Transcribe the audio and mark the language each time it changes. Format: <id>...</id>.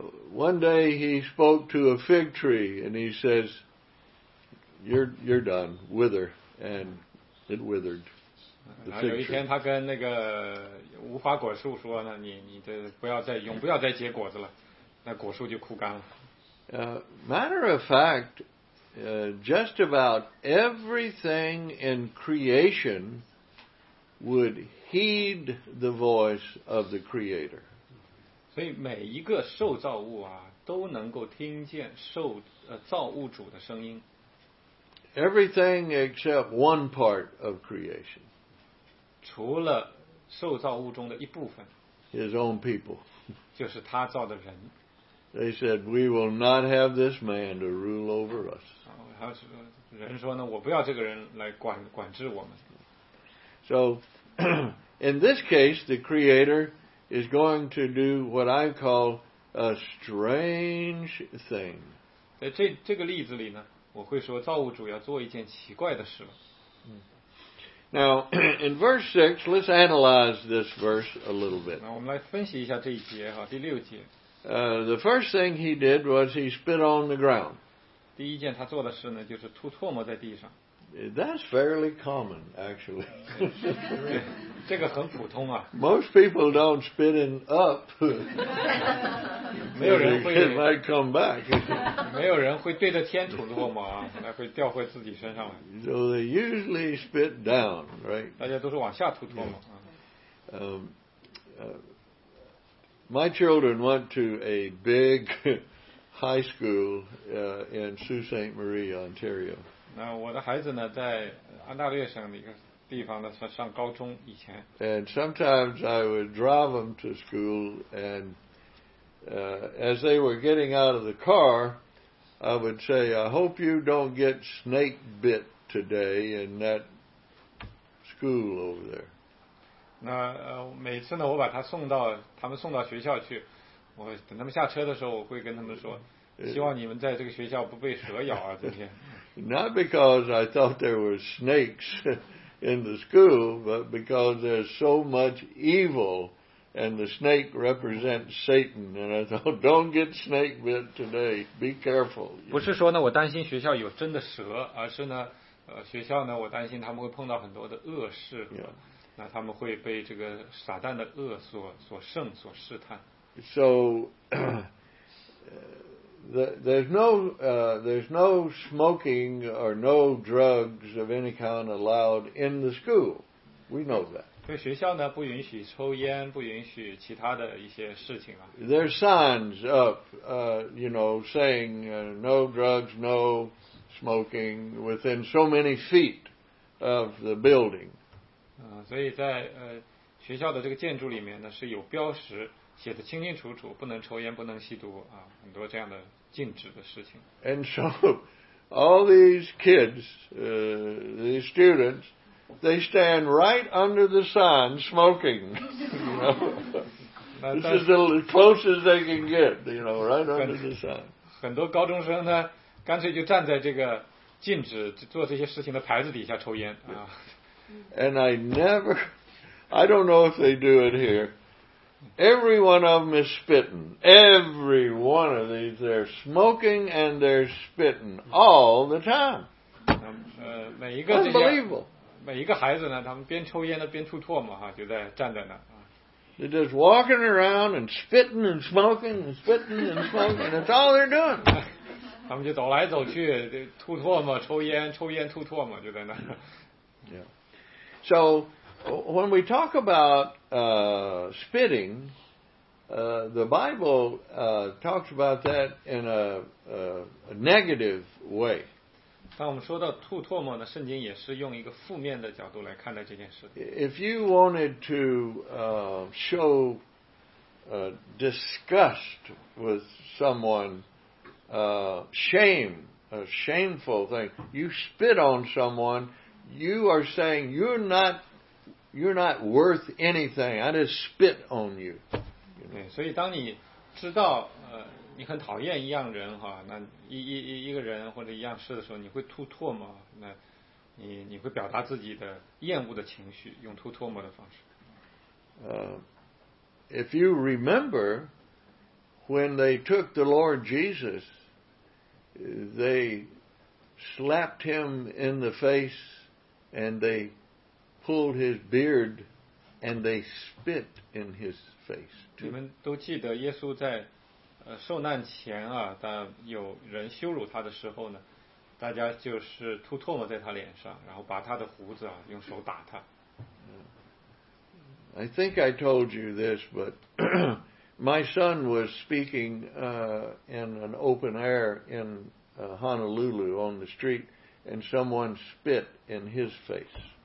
<en>One day he spoke to a fig tree and he says, you're done, wither, and it withered.</en> <zh>然后有一天他跟那个无花果树说呢，你这不要再永不要再结果子了，那果树就枯干了。</zh> <en>Matter of fact, just about everything in creation would heed the voice of the Creator.</en> <zh>所以每一个受造物啊，都能够听见造物主的声音。</zh> <en>Everything except one part of creation.</en> <zh>除了受造物中的一部分。</zh> <en>His own people.</en> <zh>就是他造的人。</zh> <en>They said, we will not have this man to rule over us.</en> <zh>人说呢，我不要这个人来管制我们。</zh> <en>So, in this case, the Creator... is going to do what I call a strange thing.</en> <zh>在这个例子里呢，我会说造物主要做一件奇怪的事了。</zh> <en>Now, in verse 6, let's analyze this verse a little bit.</en> <zh>我们来分析一下这一节哈，第六节。</zh> <en>The first thing he did was he spit on the ground.</en> <zh>第一件他做的事呢，就是吐唾沫在地上。</zh> <en>That's fairly common, actually.</en> <zh>这个很普通啊。</zh> <en>Most people don't spit it up.</en> <zh>没有人会。</zh> <en>It might come back.</en> <zh>没有人会对着天吐唾沫啊，那会掉回自己身上来。</zh> <en>So they usually spit down, right?</en> <zh>大家都是往下吐唾沫。Yeah.</zh> <en>My children went to a big high school in Sault Ste. Marie, Ontario.</en> <zh>那我的孩子呢，在安大略省的一个地方呢，上高中以前。</zh> <en>And sometimes I would drive them to school, and as they were getting out of the car, I would say, "I hope you don't get snake bit today in that school over there."</en> <zh>那每次呢，我把他们送到学校去，我等他们下车的时候，我会跟他们说，希望你们在这个学校不被蛇咬啊，今天。</zh> <en>Not because I thought there were snakes in the school, but because there's so much evil, and the snake represents Satan. And I thought, don't get snake bit today. Be careful.</en> <zh>不是说呢，我担心学校有真的蛇，而是呢，学校呢，我担心他们会碰到很多的恶事，那他们会被这个撒旦的恶所胜所试探。</zh> <en>So. There's no smoking or no drugs of any kind allowed in the school. We know that.</en> <zh>对学校呢，不允许抽烟，不允许其他的一些事情啊。</zh> <en>There's signs up, you know, saying no drugs, no smoking within so many feet of the building.</en> <zh>所以在学校的这个建筑里面呢，是有标识写的清清楚楚，不能抽烟，不能吸毒啊，很多这样的。</zh> <en>And so, all these kids, these students, they stand right under the sign smoking. You know? This is the closest they can get, you know, right under the sign.</en> <zh>很多高中生呢，干脆就站在这个禁止做这些事情的牌子底下抽烟啊。</zh> <en>And I don't know if they do it here. Every one of them is spitting. Every one of these, they're smoking and they're spitting all the time. Unbelievable.</en> <zh>每一个孩子呢，他们边抽烟呢边吐唾沫哈，就在站在那。</zh> <en>They're just walking around and spitting and smoking and spitting and smoking. That's all they're doing.</en> <zh>他们就走来走去，吐唾沫，抽烟，抽烟，吐唾沫，就在那。</zh> <en>Yeah. So. When we talk about spitting, the Bible talks about that in a negative way.</en> <zh>当我们说到吐唾沫呢，圣经也是用一个负面的角度来看待这件事。</zh> <en>If you wanted to show disgust with someone shame, a shameful thing. You spit on someone, you are saying you're not worth anything. I just spit on you.</en> <zh>所以当你知道你很讨厌一样人哈，那一个人或者一样事的时候，你会吐唾沫，那你会表达自己的厌恶的情绪，用吐唾沫的方式。</zh> <en>If you remember when they took the Lord Jesus, they slapped him in the face and they pulled his beard and they spit in his face.</en> <zh>你们都记得耶稣在受难前啊，当有人羞辱他的时候呢，大家就是吐唾沫在他脸上，然后把他的胡子啊用手打他。</zh> <en>I think I told you this, but my son was speaking in an open air in Honolulu on the street, and someone spit in his face.</en>